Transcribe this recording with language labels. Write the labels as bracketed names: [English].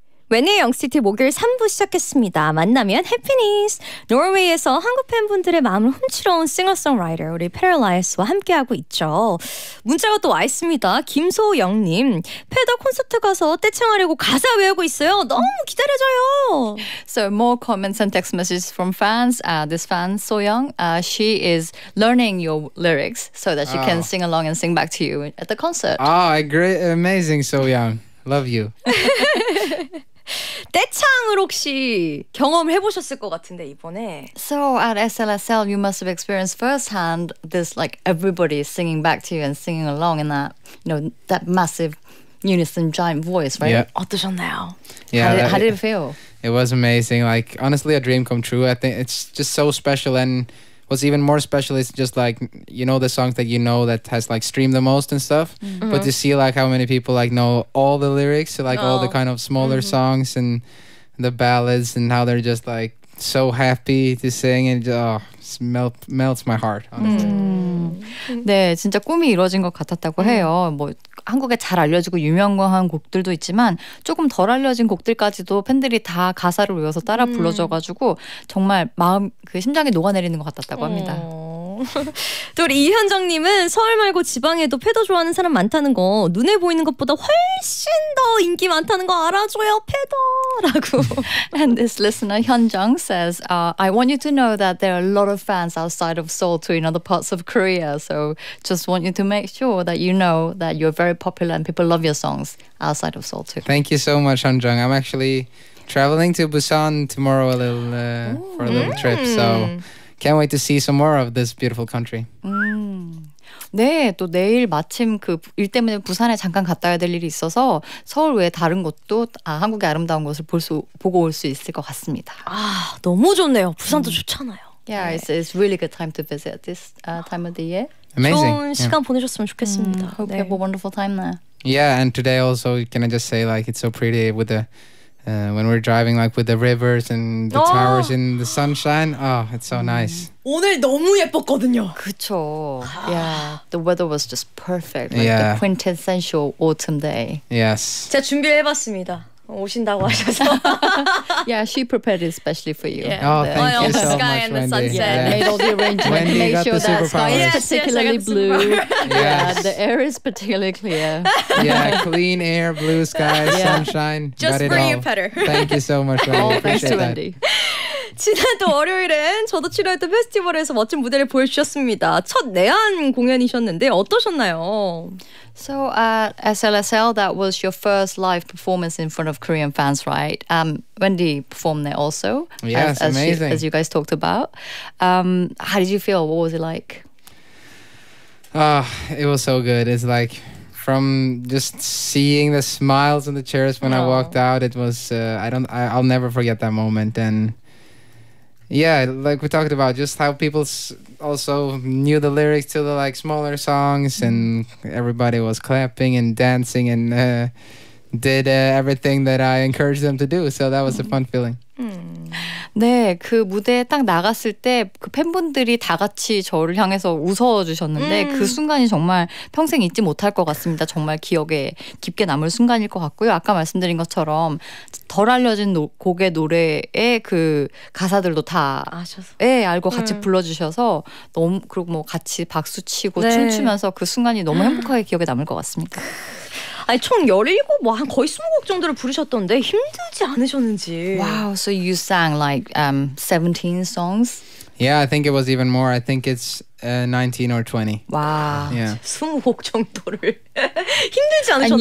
[Korean] 웬디의 영스트리트 목요일 3부 시작했습니다. 만나면 해피니스 노르웨이에서 한국 팬분들의 마음을 훔치러 온 싱어송라이터 우리 패럴라이스와 함께하고 있죠. 문자가 또 와있습니다. 김소영님 페더 콘서트 가서 떼창하려고 가사 외우고 있어요. 너무 기다려져요. [English] So more comments and text messages from fans. This fan Soyoung, she is learning your lyrics so that she can sing along and sing back to you at the concert. Oh, great, amazing Soyoung. Love you. [Korean] 떼창을 혹시 경험해보셨을 것 같은데 이번에 [English] So at SLSL you must have experienced firsthand this like everybody singing back to you and singing along in that you know that massive unison giant voice right? [Korean] Yeah. 어떠셨나요? [English] Yeah, how did it feel? It was amazing like honestly a dream come true I think it's just so special and what's even more special is just like you know the songs that you know that has like streamed the most and stuff mm-hmm. but to see like how many people like know all the lyrics like all the kind of smaller mm-hmm. songs and the ballads and how they're just like so happy to sing and melts my heart honestly. [Korean] 네 진짜 꿈이 이루어진 것 같았다고 해요 뭐 한국에 잘 알려지고 유명한 곡들도 있지만 조금 덜 알려진 곡들까지도 팬들이 다 가사를 외워서 따라 불러줘가지고 정말 마음 그 심장이 녹아내리는 것 같았다고 합니다. 또 우리 이현정님은 서울 말고 지방에도 패더 좋아하는 사람 많다는 거 눈에 보이는 것보다 훨씬 더 인기 많다는 거 알아줘요 패더라고. [English] And this listener Hyunjung says, I want you to know that there are a lot of fans outside of Seoul too in other parts of Korea. So just want you to make sure that you know that you're very popular and people love your songs outside of Seoul too. Thank you so much, Hyunjung. I'm actually traveling to Busan tomorrow a little for a little trip. So. Can't wait to see some more of this beautiful country. [Korean] 네, 또 내일 마침 그 일 때문에 부산에 잠깐 갔다 와야 될 일이 있어서 서울 외 다른 곳도 한국의 아름다운 것을 보고 올 수 있을 것 같습니다. 아, 너무 좋네요. 부산도 좋잖아요. [English] Yeah, [Korean] 네. [English] it's really good time to visit this time of the year. Amazing. [Korean] 좋은 시간 보내셨으면 좋겠습니다. [English] Hope you have a wonderful time there. Yeah, and today also, can I just say like it's so pretty with the when we're driving like with the rivers and the towers in the sunshine. Oh, it's so nice. [Korean] 오늘 너무 예뻤거든요. [English] 그쵸. Yeah. The weather was just perfect. Like yeah. the quintessential autumn day. Yes. [Korean] 제가 준비해봤습니다. 오신다고 하셔서. [English] yeah, she prepared it especially for you. Yeah. Oh, thank you so much, Wendy. The sky and the sunset. Made all the arrangements. Wendy got the superpowers. Yes, particularly blue. Yeah, the air is particularly clear. Yeah, clean air, blue sky, sunshine. Just for you, Peder. Thank you so much, Wendy. Appreciate that. Wendy. [Korean] 지난 또 월요일엔 저도 출연했던 페스티벌에서 멋진 무대를 보여주셨습니다. 첫 내한 공연이셨는데 어떠셨나요? [English] So at SLSL, that was your first live performance in front of Korean fans, right? Wendy performed there also. Yes, amazing. As you guys talked about. How did you feel? What was it like? It was so good. It's like from just seeing the smiles on the chairs when I walked out, it was, I'll never forget that moment. And yeah, like we talked about, just how people also knew the lyrics to the like smaller songs and everybody was clapping and dancing and did everything that I encouraged them to do. So that was a fun feeling. [Korean] 네, 그 무대에 딱 나갔을 때 그 팬분들이 다 같이 저를 향해서 웃어주셨는데 그 순간이 정말 평생 잊지 못할 것 같습니다. 정말 기억에 깊게 남을 순간일 것 같고요. 아까 말씀드린 것처럼 덜 알려진 곡의 노래의 그 가사들도 다 아셔서 예, 알고 같이 불러주셔서 너무 그리고 뭐 같이 박수 치고 네. 춤추면서 그 순간이 너무 행복하게 기억에 남을 것 같습니다. 아니 총 17곡 뭐 한 거의 20곡 정도를 부르셨던데 힘들지 않으셨는지. [English] Wow, so you sang like 17 songs? Yeah, I think it was even more. I think it's 19 or 20. Wow. Yeah. [Korean] 20곡 정도를 힘들지 않으셨나요?